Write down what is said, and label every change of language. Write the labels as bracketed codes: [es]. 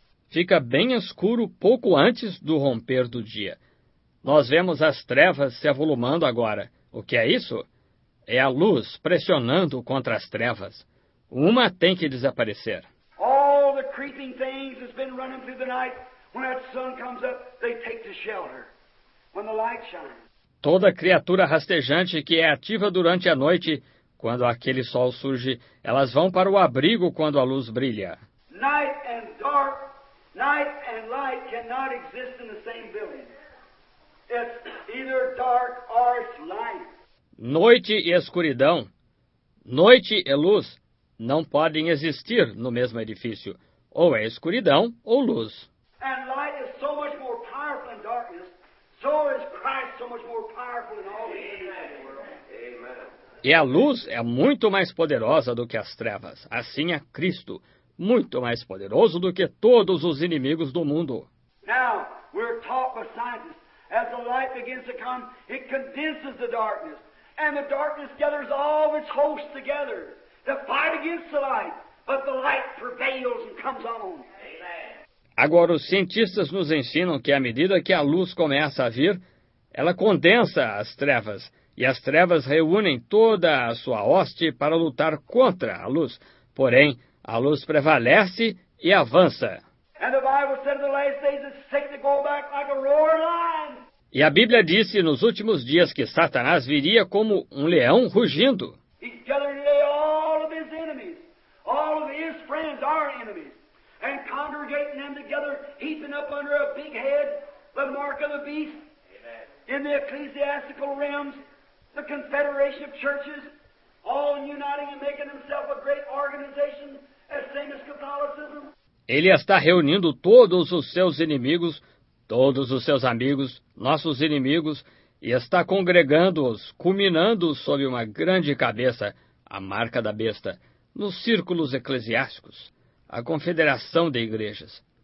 [pt] Fica bem escuro pouco antes do romper do dia. Nós vemos as trevas se avolumando agora. O que é isso? É a luz pressionando contra as trevas. Uma tem que desaparecer. [en] All the creeping things has been running through the night. When that sun comes up, they take to shelter. When the light shines. [pt] Toda criatura rastejante que é ativa durante a noite, quando aquele sol surge, elas vão para o abrigo quando a luz brilha. [en] Night and dark, night and light cannot exist in the same building. It's either dark or it's light. [pt] Noite e escuridão, noite e luz, não podem existir no mesmo edifício. Ou é escuridão ou luz. [en] And light is so much more powerful than darkness, so is Christ so much more powerful than all the things in the world. [pt] E a luz é muito mais poderosa do que as trevas. Assim é Cristo, muito mais poderoso do que todos os inimigos do mundo. [en] Now, we're taught by scientists. As the light begins to come, it condenses the darkness. And the darkness gathers all of its hosts together to fight against the light. But the light prevails and comes on. Amen. [pt] Agora, os cientistas nos ensinam que à medida que a luz começa a vir, ela condensa as trevas. E as trevas reúnem toda a sua hoste para lutar contra a luz. Porém, a luz prevalece e avança. [en] And the Bible said in the last days that Satan would go back like a roaring lion. [pt] E a Bíblia disse nos últimos dias que Satanás viria como um leão rugindo. [en] He's gathering all of his enemies, all of his friends, our enemies, and congregating them together, heaping up under a big head, the mark of the beast. Amen. In the ecclesiastical realms, the confederation of churches, all uniting and making himself a great organization, as same as Catholicism. [pt] Ele está reunindo todos os seus inimigos, todos os seus amigos, nossos inimigos, e está congregando-os, culminando-os sob uma grande cabeça, a marca da besta, nos círculos eclesiásticos, a confederação de igrejas.